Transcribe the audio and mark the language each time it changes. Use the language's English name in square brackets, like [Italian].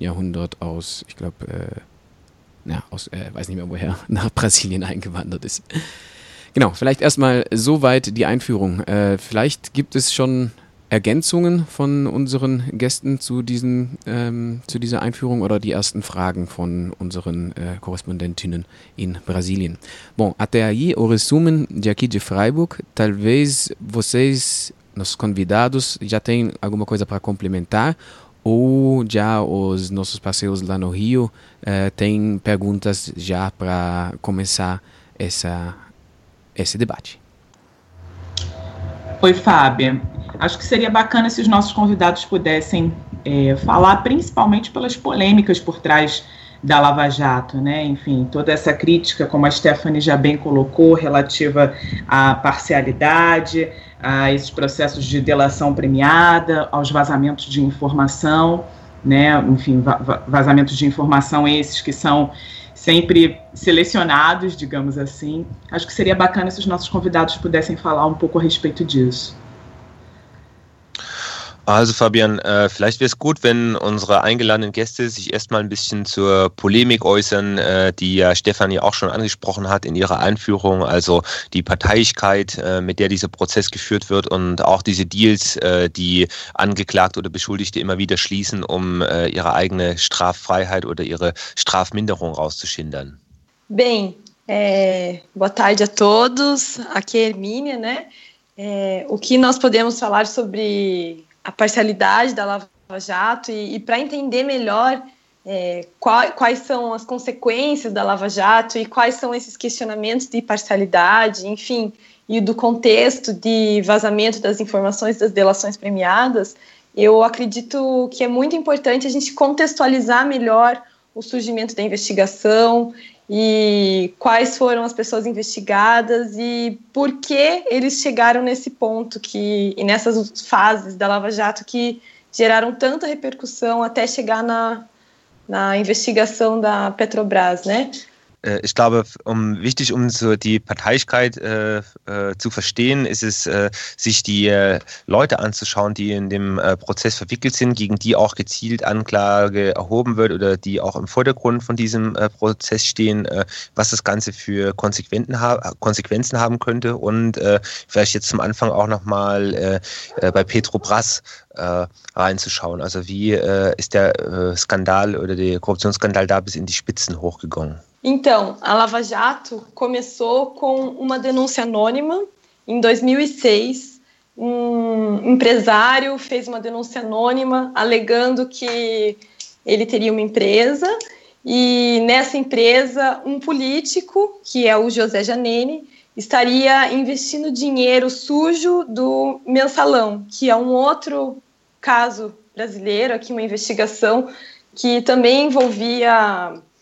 [German] Jahrhundert aus nach Brasilien eingewandert ist. Genau, vielleicht erstmal soweit die Einführung. Vielleicht gibt es schon Ergänzungen von unseren Gästen zu diesen zu dieser Einführung oder die ersten Fragen von unseren Korrespondentinnen in Brasilien. [Portuguese] Bom, até aí o resumo de aqui de Freiburg. Talvez vocês, nossos convidados, já tenham alguma coisa para complementar ou já os nossos parceiros lá no Rio têm perguntas já para começar esse debate. Oi, Fábio. Acho que seria bacana se os nossos convidados pudessem falar, principalmente pelas polêmicas por trás da Lava Jato, né? Enfim, toda essa crítica, como a Stephanie já bem colocou, relativa à parcialidade, a esses processos de delação premiada, aos vazamentos de informação, né? Enfim, vazamentos de informação esses que são sempre selecionados, digamos assim. Acho que seria bacana se os nossos convidados pudessem falar um pouco a respeito disso. [German] Also Fabian, vielleicht wäre es gut, wenn unsere eingeladenen Gäste sich erstmal ein bisschen zur Polemik äußern, die ja Stefanie auch schon angesprochen hat in ihrer Einführung, also die Parteiigkeit, mit der dieser Prozess geführt wird und auch diese Deals, die Angeklagte oder Beschuldigte immer wieder schließen, um ihre eigene Straffreiheit oder ihre Strafminderung rauszuschindern. [Portuguese] Bem, boa tarde a todos, aqui é Hermínia, né? O que nós podemos falar sobre a parcialidade da Lava Jato e para entender melhor quais são as consequências da Lava Jato e quais são esses questionamentos de parcialidade, enfim, e do contexto de vazamento das informações das delações premiadas, eu acredito que é muito importante a gente contextualizar melhor o surgimento da investigação e quais foram as pessoas investigadas e por que eles chegaram nesse ponto e nessas fases da Lava Jato que geraram tanta repercussão até chegar na investigação da Petrobras, né? [German] Ich glaube, wichtig, um so die Parteiigkeit zu verstehen, ist es, sich die Leute anzuschauen, die in dem Prozess verwickelt sind, gegen die auch gezielt Anklage erhoben wird oder die auch im Vordergrund von diesem Prozess stehen, was das Ganze für Konsequenzen haben könnte und vielleicht jetzt zum Anfang auch nochmal bei Petrobras reinzuschauen. Also wie ist der Skandal oder der Korruptionsskandal da bis in die Spitzen hochgegangen? [Portuguese] Então, a Lava Jato começou com uma denúncia anônima. Em 2006, um empresário fez uma denúncia anônima alegando que ele teria uma empresa e nessa empresa um político, que é o José Janene, estaria investindo dinheiro sujo do Mensalão, que é um outro caso brasileiro, aqui uma investigação que também envolvia